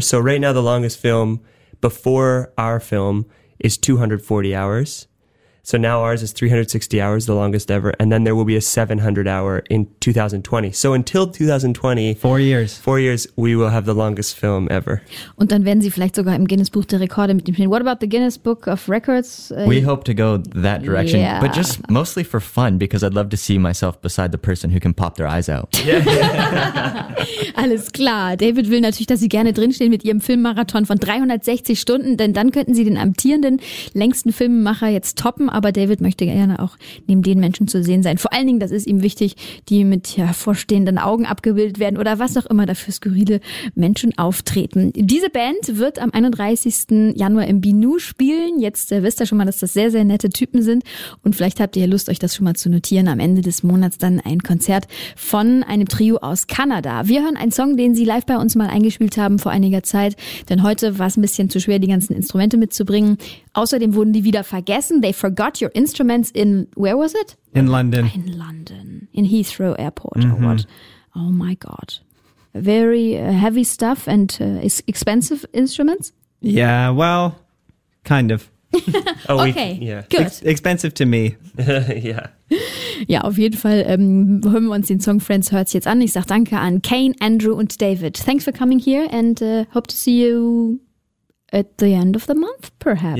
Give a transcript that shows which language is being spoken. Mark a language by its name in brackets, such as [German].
[English] So right now, the longest film before our film is 240 hours. So now ours is 360 hours, the longest ever. And then there will be a 700 hour in 2020. So until 2020. 4 years. 4 years, we will have the longest film ever. [German] Und dann werden sie vielleicht sogar im Guinness Buch der Rekorde mit dem Film. [English] What about the Guinness Book of Records? We hope to go that direction. Yeah. But just mostly for fun, because I'd love to see myself beside the person who can pop their eyes out. [German] Yeah. Alles klar. David will natürlich, dass sie gerne drinstehen mit ihrem Filmmarathon von 360 Stunden. Denn dann könnten sie den amtierenden längsten Filmmacher jetzt toppen. Aber David möchte gerne auch neben den Menschen zu sehen sein. Vor allen Dingen, das ist ihm wichtig, die mit hervorstehenden Augen abgebildet werden oder was auch immer da für skurrile Menschen auftreten. Diese Band wird am 31. Januar im Binu spielen. Jetzt wisst ihr schon mal, dass das sehr, sehr nette Typen sind. Und vielleicht habt ihr ja Lust, euch das schon mal zu notieren. Am Ende des Monats dann ein Konzert von einem Trio aus Kanada. Wir hören einen Song, den sie live bei uns mal eingespielt haben vor einiger Zeit. Denn heute war es ein bisschen zu schwer, die ganzen Instrumente mitzubringen. Außerdem wurden die wieder vergessen. [English] They forgot your instruments in, where was it? In London. In London. In Heathrow Airport. Mm-hmm. Or what? Oh my God. Very heavy stuff and expensive instruments? Yeah, well, kind of. Oh, okay, yeah. Good. Expensive to me. Yeah. [German] Ja, auf jeden Fall hören wir uns den Song Friends Hurts jetzt an. Ich sag danke an Kane, Andrew und David. [English] Thanks for coming here and hope to see you at the end of the month, perhaps.